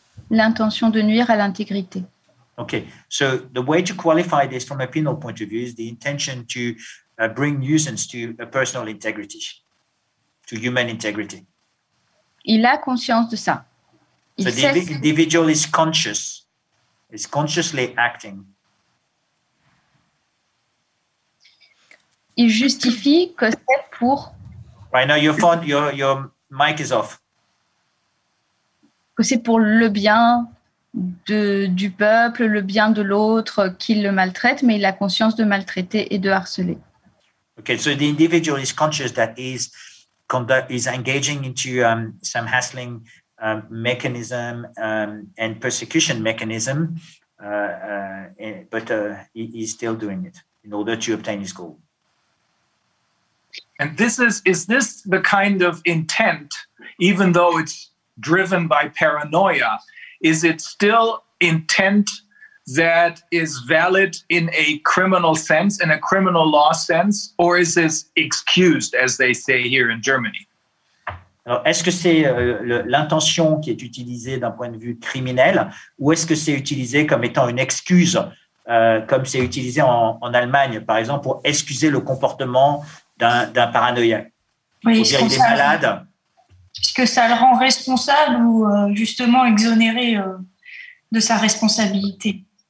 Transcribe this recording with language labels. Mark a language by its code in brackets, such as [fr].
[fr] l'intention de nuire à l'intégrité. [en] Okay, so the way to qualify this from a penal point of view is the intention to bring nuisance to a personal integrity, to human integrity. [fr] Il a conscience de ça. [en] So the individual is conscious, is consciously acting. [fr] Il justifie que c'est pour. [en] Right now, your mic is off. [fr] Que c'est pour le bien du peuple, le bien de l'autre qu'il le maltraite, mais il a conscience de maltraiter et de harceler. [en] Okay, so the individual is conscious that he's engaging into some hassling mechanism and persecution mechanism, but he's still doing it in order to obtain his goal. And is this the kind of intent, even though it's driven by paranoia, is it still intent that is valid in a criminal sense, in a criminal law sense, or is this excused, as they say here in Germany? [fr] Alors, est-ce que c'est l'intention qui est utilisée d'un point de vue criminel, ou est-ce que c'est utilisé comme étant une excuse, comme c'est utilisé en Allemagne, par exemple, pour excuser le comportement d'un paranoïaque? Oui, pour dire qu'il est malade. Est-ce que ça le rend responsable ou justement exonéré de sa responsabilité?